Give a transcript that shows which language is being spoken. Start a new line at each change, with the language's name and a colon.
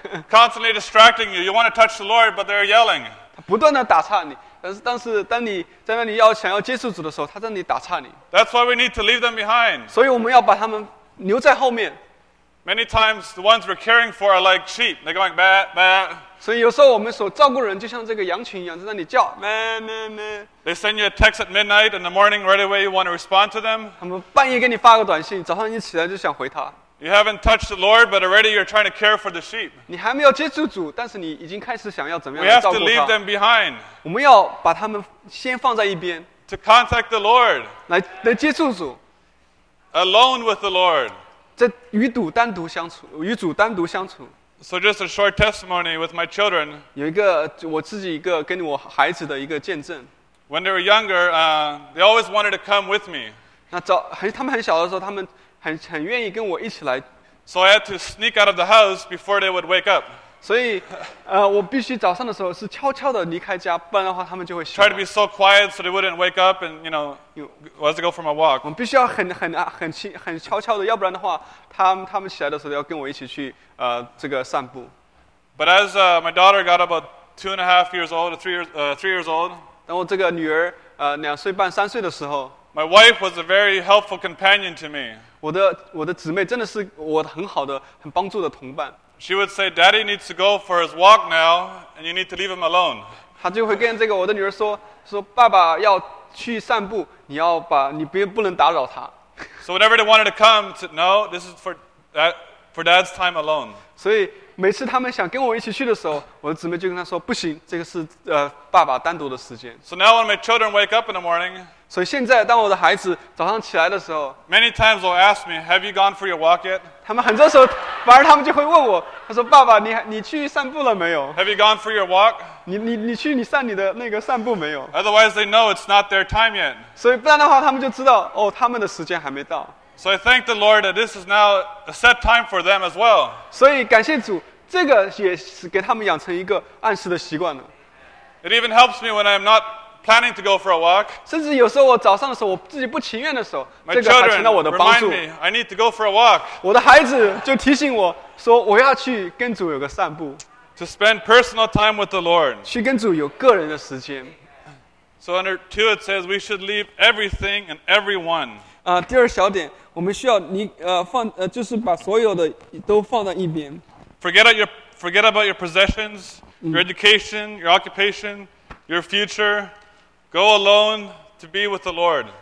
English: Constantly distracting you. You want to touch the Lord, but they're yelling.
Chinese: 他不断地打岔你。但是当你在那里想要接触主的时候，他在那里打岔你。
English: That's why we need to leave them behind.
Chinese: 所以我们要把他们留在后面。
English: Many times the ones we're caring for are like sheep. They're going bah, bah.
Chinese: 所以有时候我们所照顾的人就像这个羊群一样，在那里叫。
English: They send you a text at midnight in the morning right away. You want to respond to them.
Chinese: 他们半夜给你发个短信，早上一起来就想回他。
English: You haven't touched the Lord, but already you're trying to care for the sheep.
Chinese: 你还没有接触主，但是你已经开始想要怎么样照顾他。
English: We have to leave them behind.
Chinese: 我们要把他们先放在一边。
English: To contact the Lord.
Chinese: 来接触主。
English: Alone with the Lord.
Chinese: 在与主单独相处，与主单独相处。
English: So just a short testimony with my children.
Chinese: 有一个我自己一个跟我孩子的一个见证。
English: When they were younger, they always wanted to come with me.
Chinese: 那早很他们很小的时候，他们很愿意跟我一起来。
English: So I had to sneak out of the house before they would wake up.
Chinese: 所以，我必须早上的时候是悄悄的离开家，不然的话他们就会醒。
English: Try to be so quiet so they wouldn't wake up and you know, was to go for my walk.
Chinese: 我必须要很悄悄的，要不然的话，他们起来的时候要跟我一起去这个散步。
English: But as my daughter got about 2.5 years old, three years old,
Chinese: 当我这个女儿两岁半三岁的时候
English: ，My wife was a very helpful companion to me.
Chinese: 我的姊妹真的是我很好的很帮助的同伴。
English: She would say, "Daddy needs to go for his walk now, and you need to leave him alone."
Chinese: 他就会跟这个我的女儿说爸爸要去散步，你不能打扰他。
English: So whenever they wanted to come, said, "No, this is for Dad's time alone."
Chinese: 所以每次他们想跟我一起去的时候，我的姊妹就跟他说，不行，这个是爸爸单独的时间。
English: So now when my children wake up in the morning.
Chinese: 所以现在当我的孩子早上起来的时候
English: ，Many times they'll ask me, "Have you gone for your walk yet?"
Chinese: 他们很多时候。反而他们就会问我，他说：“爸爸，你去散步了没有
English: ？”Have you gone for your walk？
Chinese: 你去你散你的那个散步没有
English: ？Otherwise, they know it's not their time yet.
Chinese: 所以不然的话，他们就知道哦，他们的时间还没到。
English: So I thank the Lord that this is now a set time for them as well.
Chinese: 所以感谢主，这个也是给他们养成一个按时的习惯了。
English: It even helps me when I'm not planning to go for a walk.
Chinese: 甚至有时候我早上的时候，我自己不情愿的时候，这个还成了我的帮助。
English: My children remind me, I need to go for a walk.
Chinese: 我的孩子就提醒我说，我要去跟主有个散步。
English: To spend personal time with the Lord.
Chinese: 去跟主有个人的时间。
English: So under two, it says we should leave everything and everyone.
Chinese: 第二小点，我们需要就是把所有的都放在一边。
English: Forget about your possessions, your education, your occupation, your future. Go alone to be with the Lord.